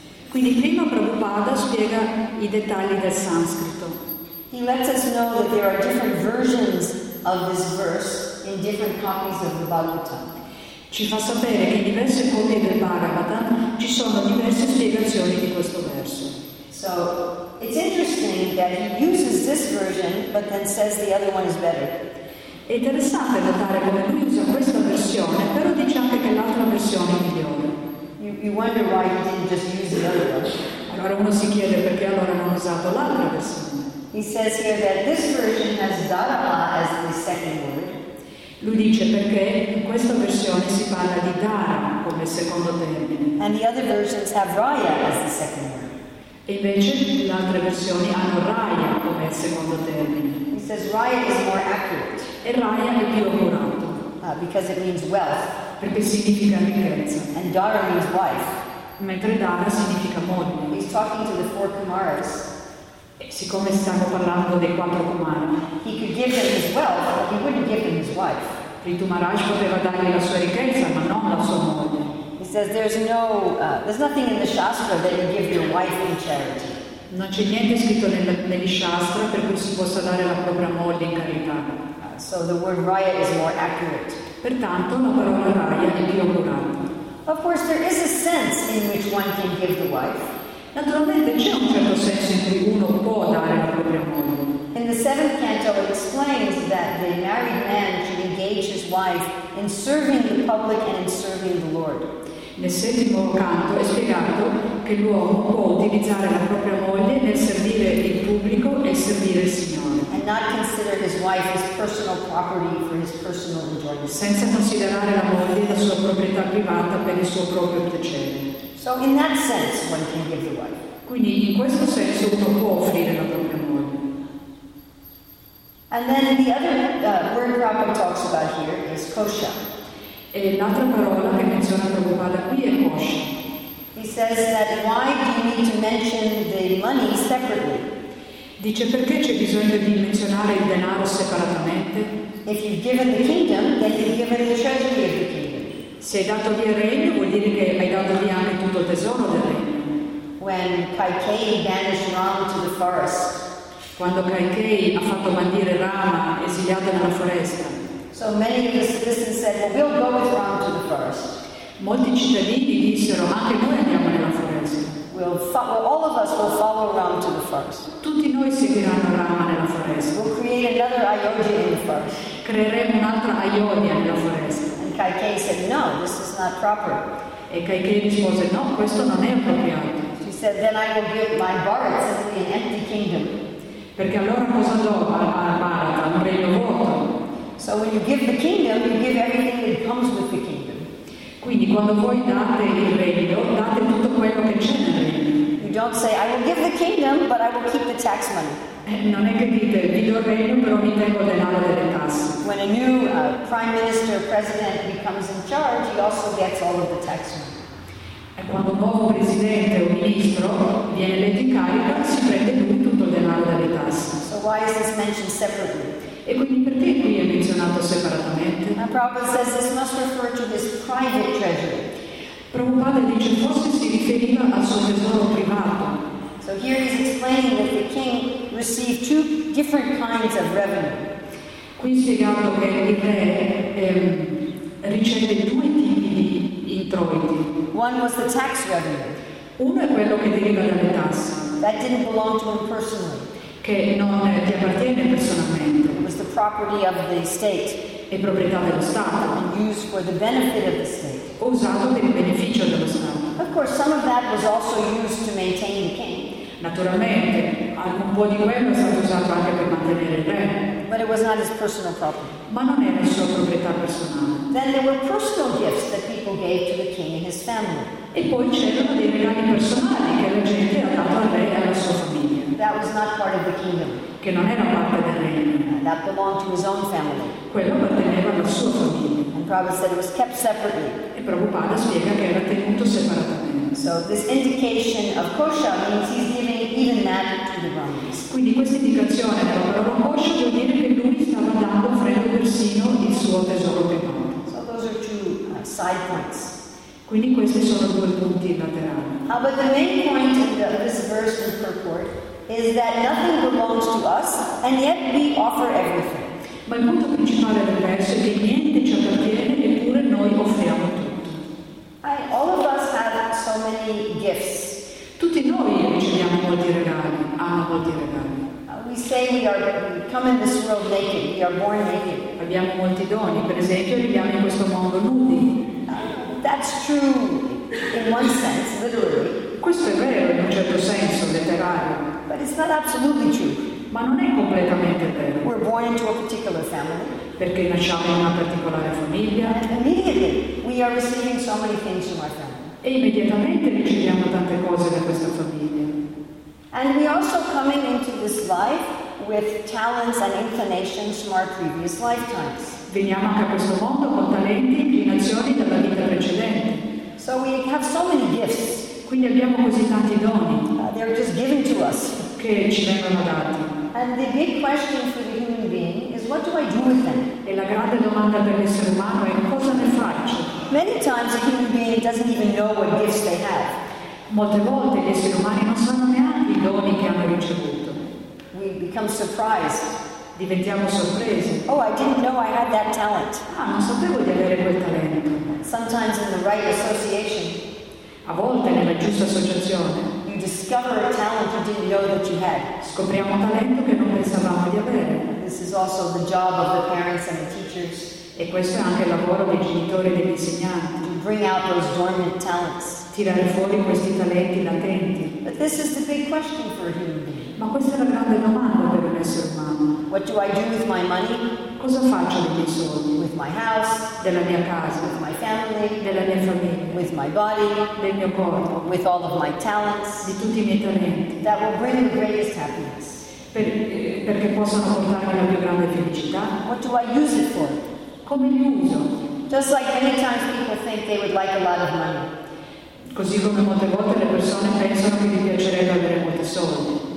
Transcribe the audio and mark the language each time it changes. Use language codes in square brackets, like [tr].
[it] Quindi prima Prabhupada spiega i dettagli del sanscrito. [en] He lets us know that there are different versions of this verse in different copies of the Bhagavatam. [it] Ci fa sapere che in diverse copie del Bhagavatam ci sono diverse spiegazioni di questo verso. [en] So, it's interesting that he uses this version, but then says the other one is better. [it] È interessante notare come lui usa questa versione, però dice anche che l'altra versione è migliore. [en] You wonder why he didn't just use the other one. [it] Allora uno si chiede perché allora non ha usato l'altra versione. [en] He says here that this version has Dharma as the second word. [it] Lui dice perché in questa versione si parla di Dara come secondo termine. [en] And the other versions have Raya as the second word. [it] E invece le altre versioni hanno Raya come secondo termine. [en] He says Raya is more accurate. [it] E Raya è più accurato. [en] Because it means wealth. [it] Perché significa ricchezza. [en] And Dara means wife. [it] Mentre Dara significa moglie. [en] He's talking to the four Kumaras. [it] Siccome stiamo parlando dei quattro Kumara, [en] he could give them his wealth, but he wouldn't give them his wife. [it] Prithu Maharaj poteva dargli la sua ricchezza, ma non la sua moglie. [en] He says there's nothing in the Shastra that you give your wife in charity. [it] Non c'è niente scritto negli Shastra per cui si possa dare la propria moglie in carità. [en] So the word Raya is more accurate. [it] Pertanto la parola Raya è più accurata. [en] Of course, there is a sense in which one can give the wife. [it] Naturalmente c'è un certo senso in cui uno può dare la propria moglie. [en] In the seventh canto it explains that the married man should engage his wife in serving the public and in serving the Lord. [it] Nel settimo canto è spiegato che l'uomo può utilizzare la propria moglie nel servire il pubblico e servire il Signore. [en] And not consider his wife his personal property for his personal enjoyment. [it] Senza considerare la moglie la sua proprietà privata per il suo proprio piacere. [en] So in that sense, one can give the wife. [it] Quindi in questo senso uno può offrire la propria moglie. [en] And then the other word Prabhupada talks about here is kosha. [it] E l'altra parola che menziona Prabhupada qui è kosha. [en] He says that why do you need to mention the money separately? [it] Dice perché c'è bisogno di menzionare il denaro separatamente? [en] If you've given the kingdom, then you've given the treasury of the kingdom. [it] Se hai dato via il regno, vuol dire che hai dato via anche tutto il tesoro del regno. [en] When Kaikeyi banished Rama to the forest. [it] Quando Kaikeyi ha fatto bandire Rama esiliato nella foresta. [en] So many of the citizens said, well, we'll go with Rama to the forest. [it] Molti cittadini dissero, anche noi andiamo nella foresta. [en] All of us will follow Rama to the forest. [it] Tutti noi seguiranno Rama nella foresta. [en] We'll create another Ayodhya in the forest. [it] Creeremo un'altra Ayodhya nella foresta. [en] Kaikeyi said, no, this is not proper. [it] E Kaikeyi rispose, no, questo non è appropriato. [en] She said, then I will give my Bharat an empty kingdom. [it] Perché allora cosa do a Bharata, un regno vuoto? [en] So when you give the kingdom, you give everything that comes with the kingdom. [it] Quindi quando voi date il regno, date tutto quello che c'è nel regno. [en] You don't say, I will give the kingdom, but I will keep the tax money. [it] Non è che dite, vi do il regno, però mi tengo denaro delle tasse. [en] When a new prime minister, president becomes in charge, he also gets all of the tax money. [it] E quando un nuovo presidente o ministro viene eletto in carica, si prende lui tutto il denaro delle tasse. [en] So why is this mentioned separately? [it] E quindi perché qui è menzionato separatamente? [en] And Prabhupada says this must refer to his private treasury. [it] Prabhupada dice forse si riferiva al suo tesoro privato. [en] So here he's explaining that the king received two different kinds of revenue. [it] Qui spiegato che il re riceve due tipi di introiti. [en] One was the tax revenue. [it] Uno è quello che deriva dalle tasse. [en] That didn't belong to him personally. [it] Che non ti appartiene personalmente. [en] It was the property of the state. [it] È proprietà dello Stato. [en] And used for the benefit of the state. [it] Usato per il beneficio dello Stato. [en] Of course, some of that was also used to maintain the king. [it] Naturalmente, un po' di quello è stato usato anche per mantenere il re. [en] But it was not his personal property. [it] Ma non era sua proprietà personale. [en] Then there were personal gifts that people gave to the king and his family. [it] E poi c'erano dei regali personali che la gente ha dato a re e alla sua famiglia. [en] That was not part of the kingdom. [it] Che non era parte del regno. [en] That belonged to his own family. [it] Quello apparteneva alla sua famiglia. [en] And Prabhupada said it was kept separately. [it] E Prabhupada spiega che era tenuto separatamente. [en] So this indication of kosha means he's giving even that to the Brahmins. [it] Quindi questa indicazione della kosha vuol dire che lui stava dando freddo persino il suo tesoro privato. [en] So those are two side points. [it] Quindi questi sono due punti laterali. [en] But the main point of this verse in purport is that nothing belongs to us, and yet we offer everything. [it] Ma il punto principale del verso è che niente ci appartiene, eppure noi offriamo tutto. [en] All of us have so many gifts. [it] Tutti noi riceviamo molti regali, amo molti regali. [en] We say we come in this world naked, we are born naked. [it] Abbiamo molti doni, per esempio, viviamo in questo mondo nudi. [en] That's true in one sense, literally. [it] Questo è vero in un certo senso, letterario. [en] But it's not absolutely true. [it] Ma non è completamente vero. [en] We're born into a particular family. [it] Perché nasciamo in una particolare famiglia. [en] Immediately we are receiving so many things from our family. [it] E immediatamente riceviamo tante cose da questa famiglia. [en] And we also coming into this life with talents and inclinations from our previous lifetimes. [it] Veniamo anche a questo mondo con talenti e inclinazioni dalla vita precedente. [en] So we have so many gifts. [it] Quindi abbiamo così tanti doni. [en] They are just given to us. [it] Che ci vengono dati. [en] And the big question for the human being is, what do I do with them? [it] E la grande domanda per l'essere umano è, cosa ne faccio? [en] Many times a human being doesn't even know what gifts they have. [it] Molte volte gli esseri umani non sanno neanche i doni che hanno ricevuto. [en] We become surprised. [it] Diventiamo sorpresi. [en] Oh, I didn't know I had that talent. [it] Ah, non sapevo di avere quel talento. [en] Sometimes in the right association. [it] A volte nella giusta associazione. [en] Discover a talent you didn't know that you had. [it] Scopriamo un talento che non pensavamo di avere. [en] This is also the job of the parents and the teachers. [it] E questo è anche il lavoro dei genitori e degli insegnanti. [en] To bring out those dormant talents. [it] Tirare fuori questi talenti latenti. [en] But this is the big question for a human being. [it] Ma questa è la grande domanda per un essere umano. [en] What do I do with my money? [it] Cosa faccio dei miei soldi? [en] With my house? [it] Della mia casa? [en] With my family? [it] Della mia famiglia? [en] With my body? [it] Del mio corpo? [en] With all of my talents? [it] Di tutti i miei talenti? [en] That will bring the greatest happiness. [it] Perché possono portarmi la più grande felicità? [en] What do I use it for? [it] Come li uso? [en] Just like many times people think they would like a lot of money. [it] Così come molte volte le persone pensano che gli piacerebbe avere molti soldi.